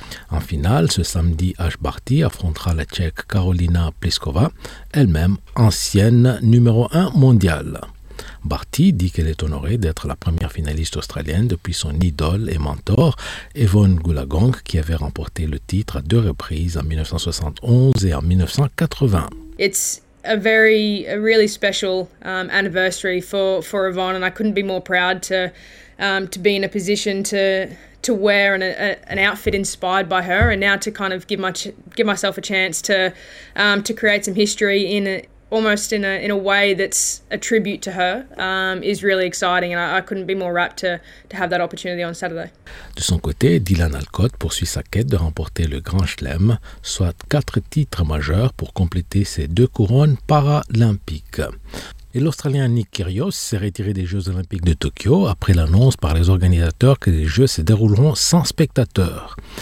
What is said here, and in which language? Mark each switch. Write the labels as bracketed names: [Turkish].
[French] En finale, ce samedi, Ash Barty affrontera la Tchèque Karolina Pliskova, elle-même ancienne numéro 1 mondiale. Barty dit qu'elle est honorée d'être la première finaliste australienne depuis son idole et mentor, Yvonne Goolagong, qui avait remporté le titre à deux reprises en 1971 et en 1980. [English] It's a very, a really special anniversary for Yvonne, and I couldn't be more proud to be in a position to wear an outfit inspired by her, and now to kind of give myself a chance to create some history in a way that's a tribute to her is really exciting, and I couldn't be more rapt to have that opportunity on Saturday. [French] De son côté, Dylan Alcott poursuit sa quête de remporter le Grand Chelem, soit quatre titres majeurs pour compléter ses deux couronnes paralympiques. Et l'Australien Nick Kyrgios s'est retiré des Jeux olympiques de Tokyo après l'annonce par les organisateurs que les Jeux se dérouleront sans spectateurs.